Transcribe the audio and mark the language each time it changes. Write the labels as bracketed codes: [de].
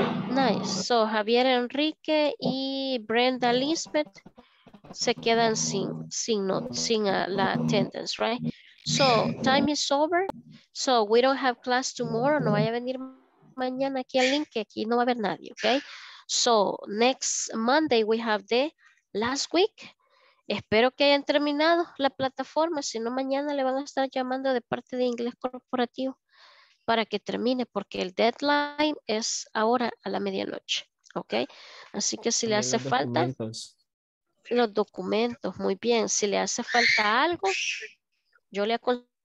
[es] Nice. So, Javier Enrique y Brenda Lisbeth se quedan sin la attendance, right? [en] So, time is over. So, we don't have class tomorrow. [es] No vaya a venir mañana aquí al link, que aquí no va a haber nadie, ok? [en] So, next Monday we have the last week. [es] Espero que hayan terminado la plataforma, si no mañana le van a estar llamando de parte de Inglés Corporativo para que termine, porque el deadline es ahora a la medianoche, ¿ok? Así que si le hace falta los documentos, muy bien, si le hace falta algo, yo le aconsejo.